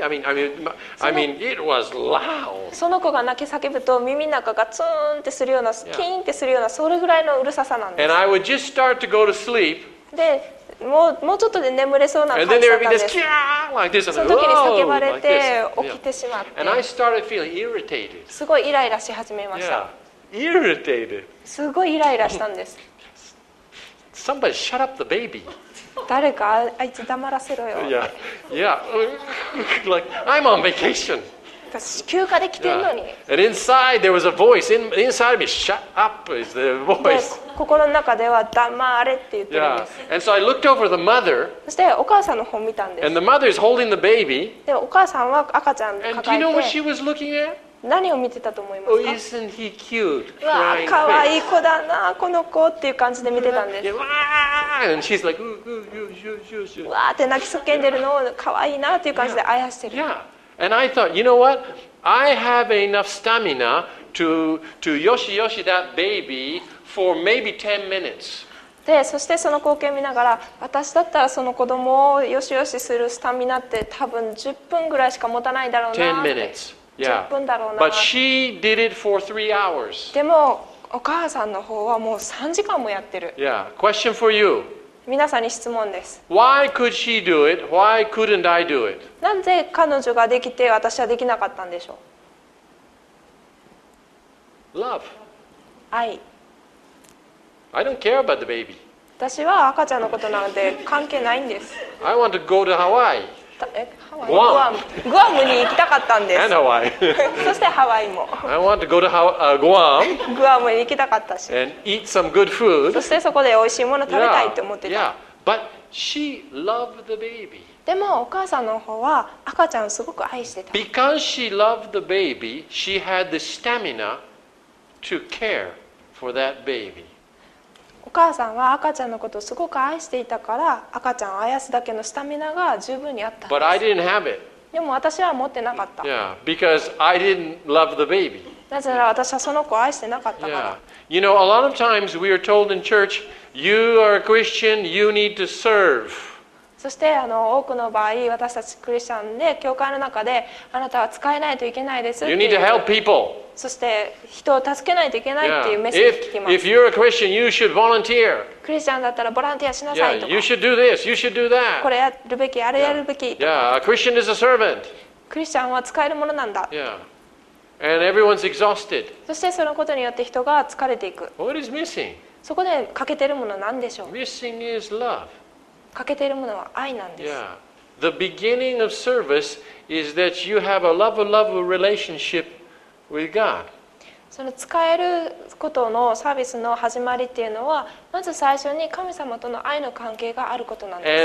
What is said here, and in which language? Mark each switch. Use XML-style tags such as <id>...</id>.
<en>I mean, it was loud.</en> <ja>その子が泣き叫ぶと耳の中がツーンってするような、キーンってするような、それぐらいのうるささなんです。</ja> <en>And I would just start to go to sleep.</en> <ja>でもうちょっとで眠れそうな感じだったんです。</ja> <en>This, like、this,</en> <ja>その時に叫ばれて起きてしまって、</ja> <en>and I started feeling irritated.</en> <ja>すごいイライラし始めました。</ja> <en>Yeah. Irritated.</en> <ja>すごいイライラしたんです。</ja> <en>Somebody shut up the baby.</en> <ja>誰かあいつ黙らせろよ。</ja> <en>Yeah, yeah. Like I'm on vacation.</en> <ja>私休暇で来てんのに。</ja> <en>Yeah. And inside there was a voice inside of me. Shut up is the voice.</en> <ja>心の中では黙れって言ってるんです。</ja> <en>Yeah. And so I looked over the mother,</en> <ja>そしてお母さんの方を見たんです。</ja> <en>And the mother is holding the baby,</en> <ja>でお母さんは赤ちゃん抱えて。</ja> <en>And do you know what she was looking at?</en> <ja>何を見てたと思いますか?</ja> <en>Oh, isn't he cute?</en> <ja>わあ、可愛い子だな、この子っていう感じで見てたんです。</ja> <en>わあ、and she's like, ooh, ooh, ooh, ooh, ooh, ooh.</en> <ja>わあって泣きそけんでるのを可愛いなっていう感じであやしてる。</ja> <en>Yeah. And I thought, you know what? I have enough stamina to yoshi yoshi that baby. For maybe 10 minutes.</en> <ja>で、そしてその光景見ながら、私だったらその子供をよしよしするスタミナって多分10分ぐらいしか持たないだろうな。</ja> <en>10 minutes. Yeah.</en> <ja>10分だろうな。</ja> <en>But she did it for 3 hours.</en> <ja>でもお母さんの方はもう3時間もやってる。</ja> <en>Yeah. Question for you.</en> <ja>皆さんに質問です。</ja> <en>Why could she do it? Why couldn't I do it?</en> <ja>なんで彼女ができて私はできなかったんでしょう。</ja> <en>Love.</en> <ja>愛。</ja> <en>I don't care about the baby.</en> <ja>私は赤ちゃんのことなので関係ないんです。</ja> <en>I want to go to Hawaii. Guam.</en> <ja>Guam に行きたかったんです。</ja> <en>And Hawaii.</en> <ja>そしてハワイも。</ja> <en>I want to go to Guam.</en> <ja>Guam に行きたかったし。</ja> <en>And eat some good food.</en> <ja>そしてそこで美味しいもの食べたいと思ってた。</ja> <en>Yeah. Yeah. But she loved the baby.</en> <ja>でもお母さんの方は赤ちゃんをすごく愛してた。</ja> <en>Because she loved the baby, she had the stamina to care for that baby.</en> <ja>お母さんは赤ちゃんのことをすごく愛していたから赤ちゃんをあやすだけのスタミナが十分にあったんです。</ja> <en>But I didn't have it.</en> <ja>でも私は持ってなかった。</ja> <en>Yeah, because I didn't love the baby.</en> <ja>なぜなら私はその子を愛してなかったから。</ja> <en>Yeah. You know, a lot of times we are told in church, you are a Christian, you need to serve.</en> <ja>そして多くの場合私たちクリスチャンで教会の中であなたは使えないといけないですっていう。</ja> <en>You need to help people.</en> <ja>そして人を助けないといけないっていうメッセージ聞きます。</ja> <en>Yeah. If you're a Christian, you should volunteer.</en> <ja>クリスチャンだったらボランティアしなさいとか。</ja> <en>Yeah. You should do this. You should do that.</en> <ja>これやるべき、あれやるべき。</ja> <en>Yeah. Yeah. A Christian is a servant.</en> <ja>クリスチャンは使えるものなんだ。</ja> <en>Yeah. And everyone's exhausted.</en> <ja>そしてそのことによって人が疲れていく。</ja> <en>What is missing?</en> <ja>そこで欠けてるものなんでしょう。</ja> <en>Missing is love.</en> <ja>欠けてるものは愛なんです。</ja> <en>Yeah. The beginning of service is that you have a love-love relationship. with God.</en> <ja>その使えることのサービスの始まりっていうのは、まず最初に神様との愛の関係があることなんです。</ja>